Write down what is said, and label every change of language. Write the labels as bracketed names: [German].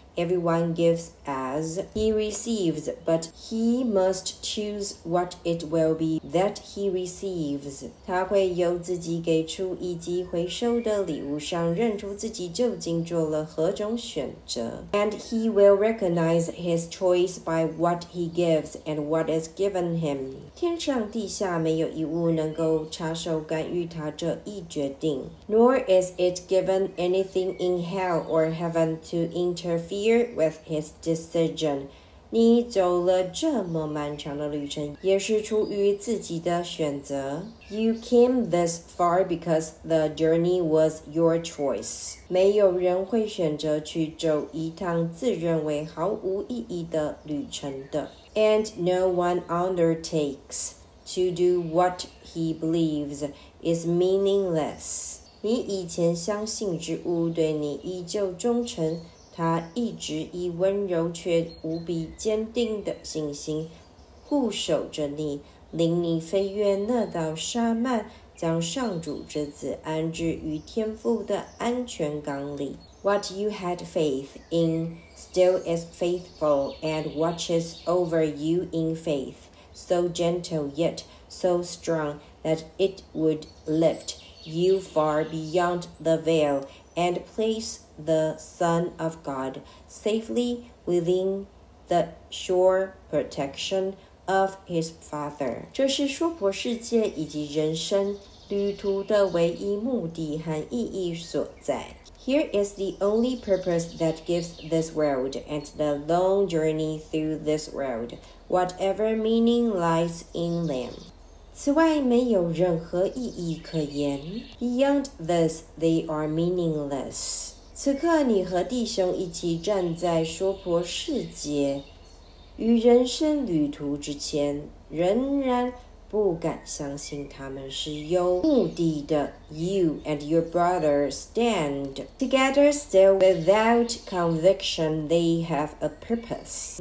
[English] Everyone gives as he receives, but he must choose what it will be that he receives. [Chinese] 他会由自己给出以及回收的礼物上认出自己究竟做了何种选择。 [English] And he will recognize his choice by what he gives and what is given him. [Chinese] 天上地下没有一物能够插手干预他这一决定。 [English] Nor is it given anything in hell or heaven to interfere. With his decision. [Chinese] 你走了这么漫长的旅程，也是出于自己的选择。 [English] You came this far because the journey was your choice. [Chinese] 没有人会选择去走一趟自认为毫无意义的旅程的。 [English] And no one undertakes to do what he believes is meaningless. [Chinese] 你以前相信之物对你依旧忠诚，他一直以温柔却无比坚定的信心护守着你，领你飞越那道沙幔，将上主之子安置于天父的安全港里。 [English] What you had faith in still is faithful and watches over you in faith, so gentle yet so strong that it would lift you far beyond the veil and place the Son of God safely within the sure protection of his Father. [Chinese] 这是娑婆世界以及人生旅途的唯一目的和意义所在。 [English] Here is the only purpose that gives this world and the long journey through this world, whatever meaning lies in them. [Chinese] 此外没有任何意义可言。 [English] Beyond this, they are meaningless. [Chinese] 此刻你和弟兄一起站在娑婆世界，与人生旅途之前，仍然不敢相信他们是有目的的。 [English] You and your brother stand together still without conviction they have a purpose.